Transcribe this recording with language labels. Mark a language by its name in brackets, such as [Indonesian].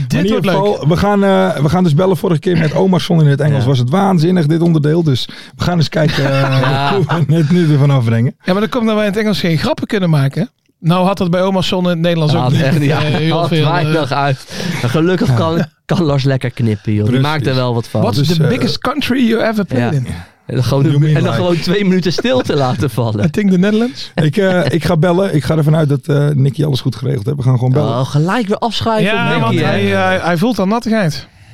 [Dutch] In ieder geval, we gaan dus bellen vorige keer met Omar Son in het Engels. Ja. Was het waanzinnig, dit onderdeel. Dus we gaan eens kijken hoe we het nu ervan afbrengen. Ja, maar dan komt dat wij in het Engels geen grappen kunnen maken. Nou had dat bij Omar Son in het Nederlands ook niet. Had weinig uit. Gelukkig kan Lars lekker knippen, joh. Precies. Die maakt er wel wat van. [English] What's [Dutch] dus, [English] the biggest country you ever played in? [Dutch] En dan gewoon 2 minuten stil te laten vallen. [English] I think the Netherlands. [Dutch] Ik ga bellen. Ik ga ervan uit dat Nicky alles goed geregeld heeft. We gaan gewoon bellen. Oh, gelijk weer afschuiven. Ja, want hij voelt al nattigheid.